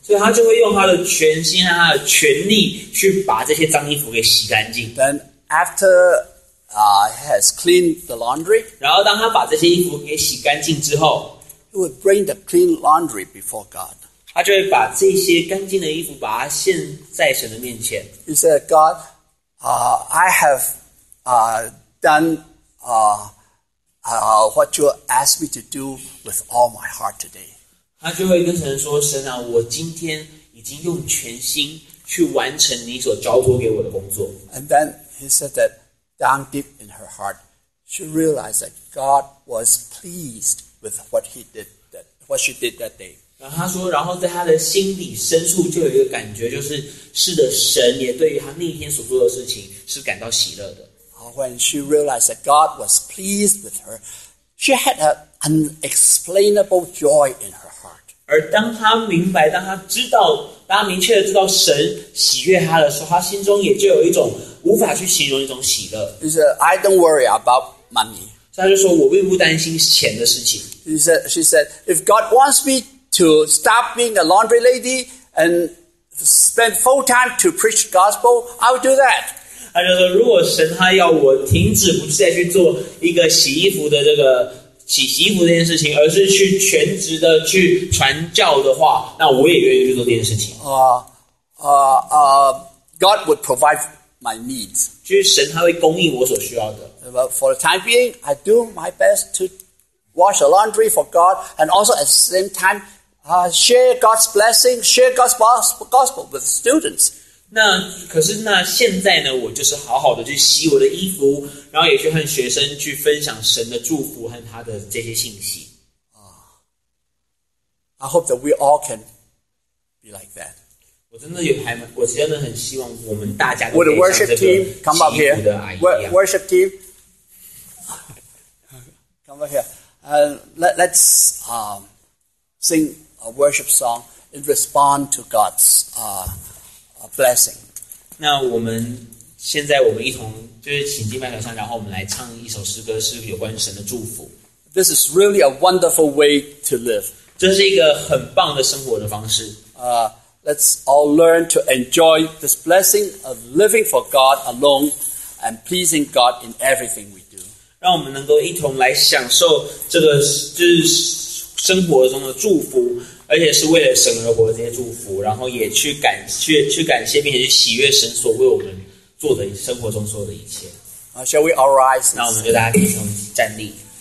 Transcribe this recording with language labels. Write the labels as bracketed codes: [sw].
[zh] 所以他就会用他的全心和他的全力去把这些脏衣服给洗干净。 [en] Then after has cleaned the laundry, [zh] 然后当他把这些衣服给洗干净之后 [en] ，he would bring the clean laundry before God. [zh] 他就会把这些干净的衣服把它献在神的面前。 [en] He said, "God, I have done what you asked me to do with all my heart today." [zh] 他就会跟神说，神啊，我今天已经用全心去完成你所交托给我的工作。 [en] And then he said that down deep in her heart, she realized that God was pleased with what she did that day. [zh] 然后他说，然后在他的心底深处就有一个感觉，就是是的，神也对于他那天所做的事情是感到喜乐的。 [en] When she realized that God was pleased with her, she had an unexplainable joy in her. [zh] 而当他明白，当他知道，当他明确的知道神喜悦他的时候，他心中也就有一种无法去形容一种喜乐。 [en] He said, "I don't worry about money." [zh] 所以他就说，我并不担心钱的事情。 [en] He said, "She said, if God wants me to stop being a laundry lady and spend full time to preach gospel, I will do that." [zh] 他就说，如果神他要我停止不再去做一个洗衣服的这个。洗衣服这件事情，而是去全职的去传教的话，那我也愿意去做这件事情。 [en] God would provide my needs. [zh] 就是神他会供应我所需要的。 [en] But for the time being, I do my best to wash the laundry for God, and also at the same time, share God's blessing, share God's gospel with students. [zh] 那可是那现在呢，我就是好好的去洗我的衣服。然后也去和学生去分享神的祝福和他的这些信息。 [en] I hope that we all can be like that. [zh] 我真的有还蛮，我真的很希望我们大家。 [en] Would the worship team come up here? Worship team, come up here. Let's sing a worship song in response to God's blessing. [zh] 那我们现在我们一同。就是请敬拜团上，然后我们来唱一首诗歌，是有关神的祝福。 [en] This is really a wonderful way to live. [zh] 这是一个很棒的生活的方式。 [en] Let's all learn to enjoy this blessing of living for God alone and pleasing God in everything we do. [zh] 让我们能够一同来享受这个，就是生活中的祝福，而且是为了神而活的这些祝福，然后也去感谢，并且去喜悦神所为我们做的生活中所有的一切。 [en] Shall we all rise? [zh] 那我们就大家可以站立。